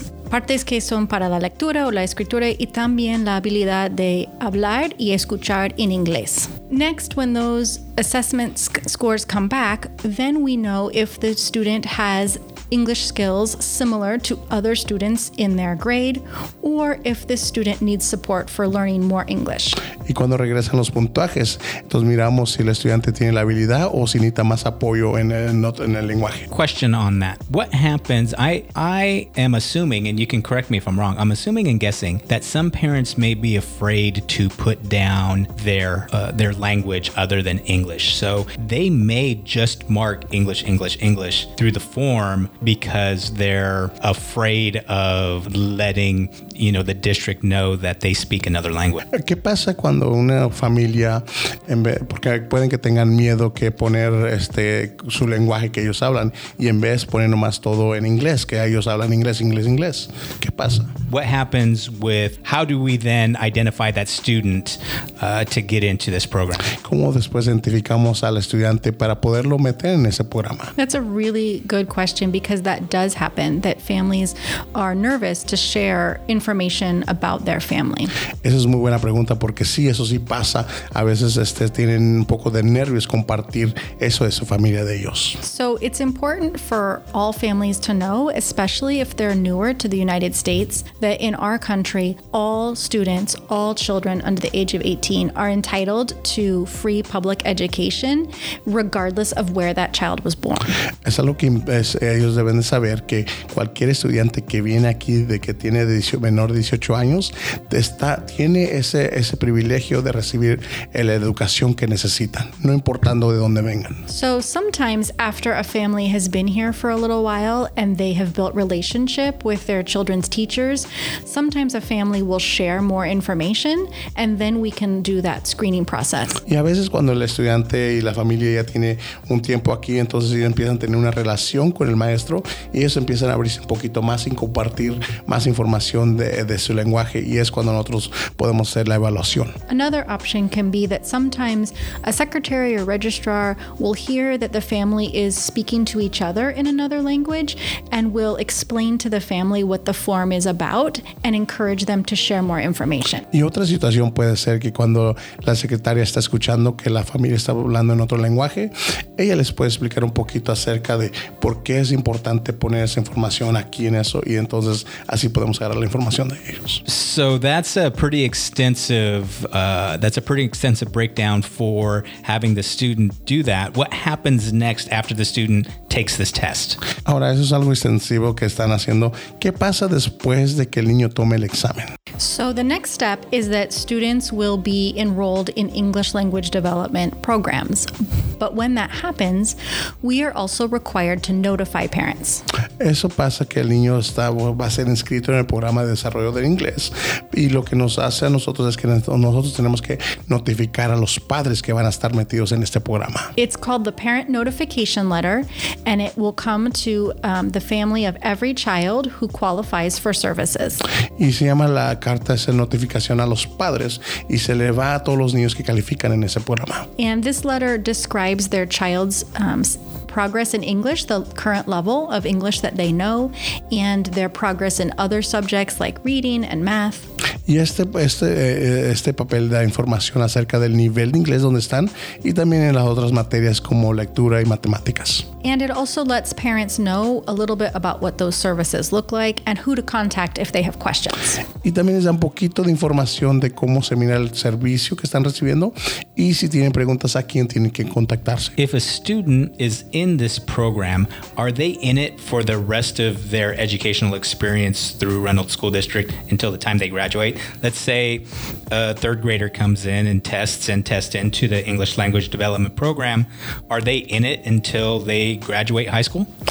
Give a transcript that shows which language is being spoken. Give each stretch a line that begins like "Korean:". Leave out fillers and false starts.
Spanish: Partes que son para la lectura o la escritura y también la habilidad de hablar y escuchar en inglés.
English: Next, when those assessment scores come back, then we know if the student has English skills similar to other students in their grade or if this student needs support for learning more English.
Spanish: Y cuando regresan los puntajes, entonces miramos si el estudiante tiene la habilidad o si necesita más apoyo en el lenguaje.
English: Question on that. What happens? I am assuming, and you can correct me if I'm wrong, I'm assuming and guessing that some parents may be afraid to put down their language other than English. So they may just mark English, English, English through the form because they're afraid of letting, you know, the district know that they speak another language.
Spanish: ¿Qué pasa cuando una familia, porque pueden que tengan miedo que poner su lenguaje que ellos hablan y en vez poner nomás todo en inglés, que ellos hablan inglés, inglés, inglés? ¿Qué pasa?
English: What happens with, how do we then identify that student to get into this program?
Spanish: ¿Cómo después identificamos al estudiante para poderlo meter en ese programa?
English: That's a really good question because that does happen, that families are nervous to share information about their family.
Spanish: Esa es muy buena pregunta porque sí, eso sí pasa. A veces tienen un poco de nervios compartir eso de su familia de ellos.
English: So it's important for all families to know, especially if they're newer to the United States, that in our country, all students, all children under the age of 18 are entitled to free public education, regardless of where that child was born.
Spanish: Es algo que ellos deben de saber que cualquier estudiante que viene aquí de que tiene menor de 18 años tiene ese privilegio de recibir la educación que necesitan, no importando de dónde vengan.
English: So sometimes after a family has been here for a little while and they have built relationship with their children's teachers, sometimes a family will share more information and then we can do that screening process.
Spanish: Y a veces cuando el estudiante y la familia ya tiene un tiempo aquí, entonces ya empiezan a tener una relación con el maestro y ellos empiezan a abrirse un poquito más y compartir más información de su lenguaje y es cuando nosotros podemos hacer la evaluación.
English: Another option can be that sometimes a secretary or registrar will hear that the family is speaking to each other in another language and will explain to the family what the form is about and encourage them to share more information.
Spanish: Y otra situación puede ser que cuando la secretaria está escuchando que la familia está hablando en otro lenguaje, ella les puede explicar un poquito acerca de por qué es importante poner esa información aquí en eso y entonces así podemos agarrar la información de ellos.
English: So that's a pretty extensive breakdown for having the student do that. What happens next after the student takes this test?
Spanish: Ahora eso es algo extensivo que están haciendo. ¿Qué pasa después de que el niño tome el examen?
English: So the next step is that students will be enrolled in English language development programs. But when that happens, we are also required to notify parents.
Spanish: Eso pasa que el niño va a ser inscrito en el programa de desarrollo del inglés. Y lo que nos hace a nosotros es que nosotros tenemos que notificar a los padres que van a estar metidos en este programa.
English: It's called the parent notification letter, and it will come to the family of every child who qualifies for services.
Spanish: Y se llama la carta de notificación a los padres y se le va a todos los niños que califican en ese programa.
English: And this letter describes their child's progress in English, the current level of English that they know, and their progress in other subjects like reading and math.
Spanish: Y este papel da información acerca del nivel de inglés donde están y también en las otras materias como lectura y matemáticas.
English: And it also lets parents know a little bit about what those services look like and who to contact if they have questions.
Spanish: Y también les da un poquito de información de cómo se mira el servicio que están recibiendo y si tienen preguntas a quién tienen que contactarse.
English: If a student is in this program, are they in it for the rest of their educational experience through Reynolds School District until the time they graduate? Let's say a third grader comes in and tests into the English Language Development Program. Are they in it until they graduate high school?